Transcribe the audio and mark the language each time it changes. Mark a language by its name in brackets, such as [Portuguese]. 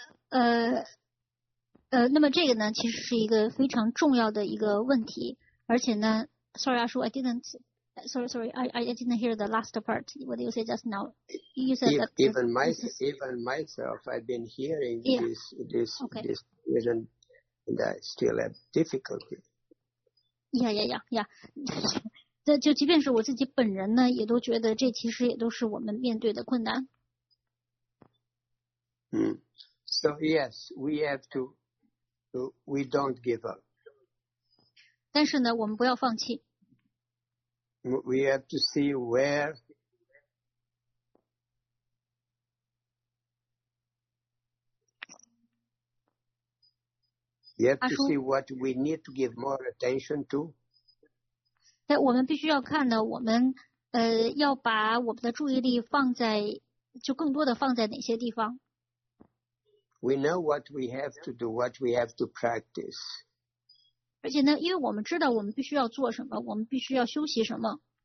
[English] So this is actually a very important question. And sorry, Ashu, I didn't. Sorry, I didn't hear the last part. What you said just now, you said that even myself, I've been hearing this question, and I still have difficulty. Yeah. [Chinese] 这就即便是我自己本人呢，也都觉得这其实也都是我们面对的困难。 [English] So yes, we have to. We don't give up. [Chinese] 但是呢，我们不要放弃。 [English] We have to see where we have to see what we need to give more attention to. [Chinese] 但我们必须要看呢，我们要把我们的注意力放在就更多的放在哪些地方。 [English] We know what we have to do, what we have to practice. [Chinese] 而且呢，因为我们知道我们必须要做什么，我们必须要修习什么。